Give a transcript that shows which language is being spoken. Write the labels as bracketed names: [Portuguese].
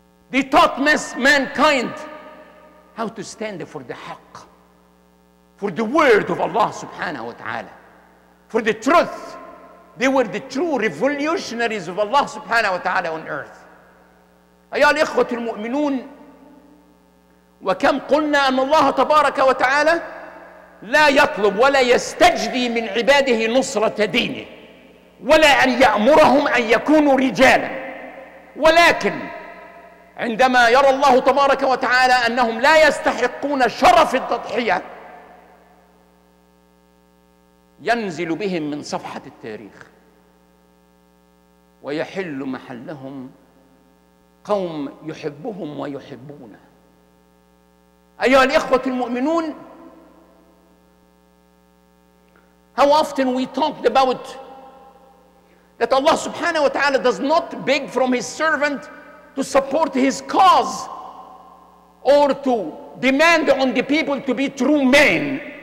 [English] They taught mankind how to stand for the haqq, for the word of Allah subhanahu wa ta'ala, for the truth. They were the true revolutionaries of Allah subhanahu wa ta'ala on earth. [Arabic] أيها الإخوة المؤمنون، وكم قلنا أن الله تبارك وتعالى لا يطلب ولا يستجدي من عباده نصرة دينه، ولا أن يأمرهم أن يكونوا رجالا، ولكن عندما يرى الله تبارك وتعالى أنهم لا يستحقون شرف التضحية ينزل بهم من صفحة التاريخ ويحل محلهم قوم يحبهم ويحبونه. أيها الإخوة المؤمنون، [English] how often we talked about that Allah subhanahu wa ta'ala does not beg from his servant to support his cause or to demand on the people to be true men.